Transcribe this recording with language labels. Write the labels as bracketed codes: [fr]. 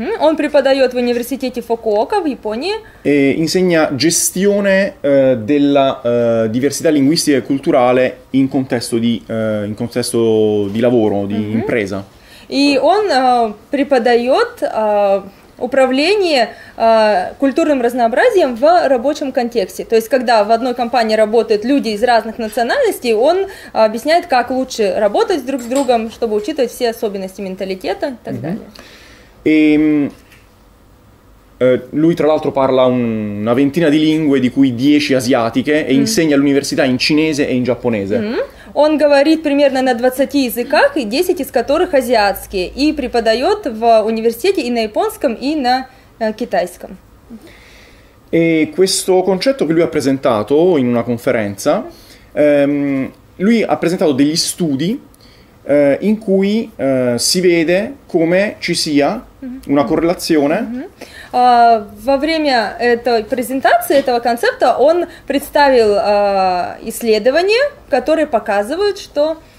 [ru] Он преподает в университете Фукуока в Японии. [it] E insegna gestione della diversità linguistica e culturale in contesto di lavoro, di impresa. [ru] И он преподает управление культурным разнообразием в рабочем контексте. То есть, когда в одной компании работают люди из разных национальностей, он объясняет, как лучше работать друг с другом, чтобы учитывать все особенности менталитета и так далее. [it] Lui tra l'altro parla una ventina di lingue, di cui 10 asiatiche, e insegna all'università in cinese e in giapponese. [ru] Он говорит примерно на 20 языках, и 10 из которых азиатские, и преподает в университете и на японском, и на китайском. [it] E questo concetto che lui ha presentato in una conferenza, lui ha presentato degli studi in cui si vede come ci sia una correlazione. [ru] Во время этой презентации, этого концепта, он представил исследования, которые показывают, что...